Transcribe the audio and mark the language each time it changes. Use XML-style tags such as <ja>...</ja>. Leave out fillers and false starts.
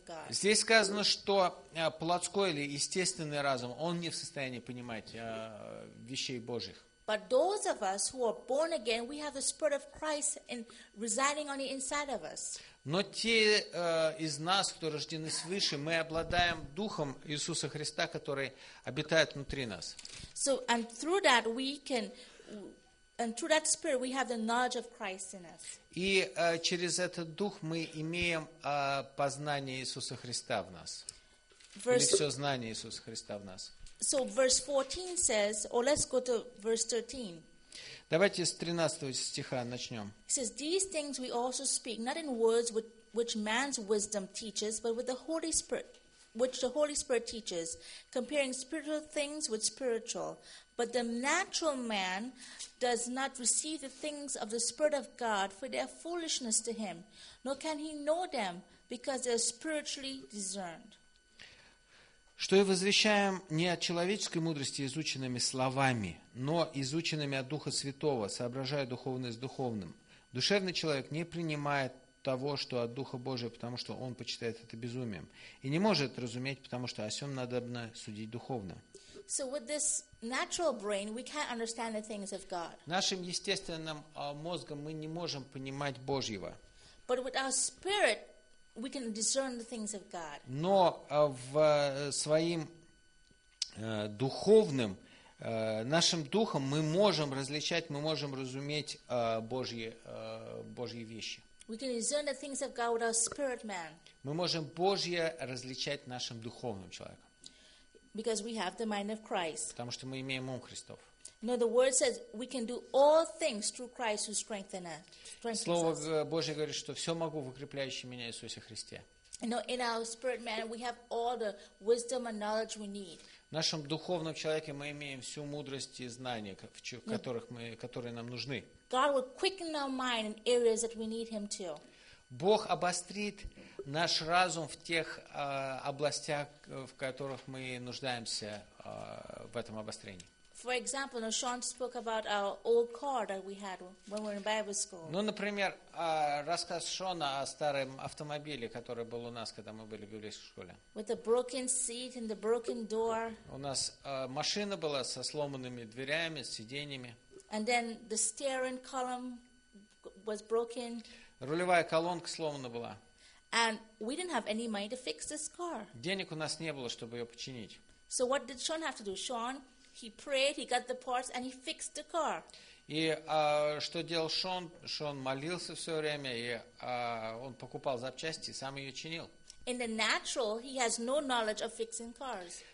<ru>Здесь сказано, что плотской или естественный разум, он не в состоянии понимать вещей Божьих.</ru> <en>But those of us who are born again, we have the Spirit of Christ residing on the inside of us.</en> <ru>Но те из нас, кто рождены свыше, мы обладаем Духом Иисуса Христа, который обитает внутри нас.</ru> <en>So, and through that we can, and through that Spirit we have the knowledge of Christ in us.</en> <ru>И через этот Дух мы имеем познание Иисуса Христа в нас. Или все знание Иисуса Христа в нас.</ru> <en>So verse 14 says, or let's go to verse 13.</en> <ru>Давайте с 13 стиха начнем.</ru> <en>He says, "These things we also speak, not in words which man's wisdom teaches, but with the Holy Spirit, which the Holy Spirit teaches, comparing spiritual things with spiritual. But the natural man does not receive the things of the Spirit of God, for they are foolishness to him, nor can he know them, because they are spiritually discerned."</en> <ru>Что и возвещаем не от человеческой мудрости, изученными словами, но изученными от Духа Святого, соображая духовное с духовным. Душевный человек не принимает того, что от Духа Божия, потому что он почитает это безумием, и не может разуметь, потому что о сём надобно судить духовно.</ru> <en>So with this natural brain, we can't understand the things of God.</en> <ru>Нашим естественным мозгом мы не можем понимать Божьего.</ru> <en>But with our spirit, we can discern the things of God.</en> <ru>Но в своим духовным нашим духом мы можем различать, мы можем разуметь Божьи вещи.</ru> <en>We can discern the things of God with our spirit man.</en> <ru>Мы можем Божье различать нашим духовным человеком.</ru> <en>Because we have the mind of Christ.</en> <ru>Потому что мы имеем ум Христов.</ru> <en>No, the word says we can do all things through Christ who strengthens us.</en> <ru>Слово Божье говорит, что все могу в укрепляющем меня Иисусе Христе.</ru> <en>No, in our spirit man we have all the wisdom and knowledge we need.</en> <ru>В нашем духовном человеке мы имеем всю мудрость и знания, которые нам нужны.</ru> <en>God will quicken our mind in areas that we need Him to.</en> <ru>Бог обострит наш разум в тех областях, в которых мы нуждаемся в этом обострении.</ru> <en>For example, Sean spoke about our old car that we had when we were in Bible school.</en> <ru>Ну, например, рассказ Шона о старом автомобиле, который был у нас, когда мы были в библейской школе.</ru> <en>With the broken seat and the broken door.</en> <ru>У нас машина была со сломанными дверями, с сиденьями.</ru> <en>And then the steering column was broken.</en> <ru>Рулевая колонка сломана была.</ru> <en>And we didn't have any money to fix this car.</en> <ru>Денег у нас не было, чтобы ее починить.</ru> <en>So what did Sean have to do? Sean, he prayed, he got the parts, and he fixed the car.</en> <ru>И что делал Шон? Шон молился все время, и он покупал запчасти, сам ее чинил.</ru> <en>In the natural, he has no knowledge of fixing cars.</en>